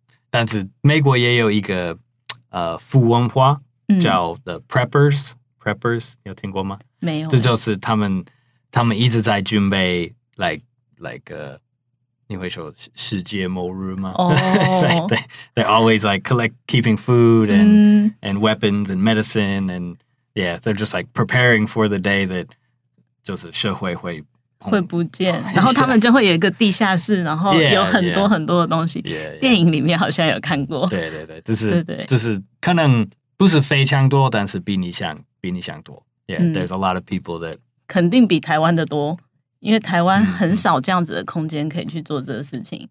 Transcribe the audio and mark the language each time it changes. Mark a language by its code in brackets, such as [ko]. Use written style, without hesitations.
[zh] 但是美国也有一个富文化，叫 The Preppers， 你有听过吗？没有。这就是他们一直在准备 like 你会说世界末日吗？哦、 oh. [en] they're always like keeping food and、and weapons and medicine and yeah， they're just like preparing for the day that [zh] 就是社会不见，然后他们就会有一个地下室，然后有很多很多的东西。 Yeah, yeah. 电影里面好像有看过。对对对，就是可能不是非常多，但是比你想多。 [en] Yeah, there's a lot of people that [zh] 肯定比台湾的多，因为台湾很少这样子的空间可以去做这个事情。